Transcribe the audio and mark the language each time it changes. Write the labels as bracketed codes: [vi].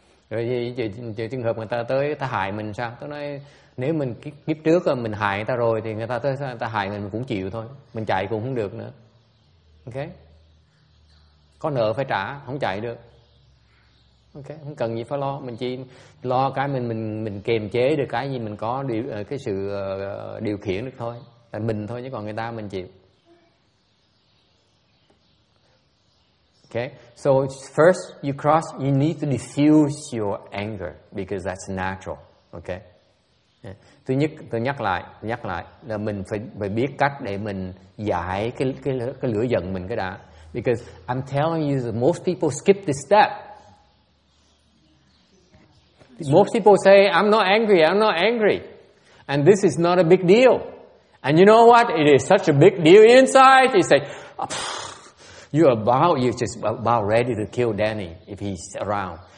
[vi] Rồi trường hợp người ta tới, người ta hại mình sao? Tức là nếu mình kiếp trước mình hại người ta rồi, thì người ta tới, người ta hại mình cũng chịu thôi. Mình chạy cũng không được nữa. Ok? Có nợ phải trả, không chạy được. OK, không cần gì phải lo, mình chỉ lo cái mình kiềm chế được cái gì mình có điều, cái sự điều khiển được thôi, là mình thôi chứ còn người ta mình chịu. [en] OK, so first you cross, you need to diffuse your anger because that's natural. [vi] OK, tôi nhắc lại là mình phải biết cách để mình giải cái lửa giận mình cái đã. [en] Because I'm telling you, that most people skip this step. Most people say, I'm not angry. And this is not a big deal. And you know what? It is such a big deal inside. You say, you're just about ready to kill Danny if he's around.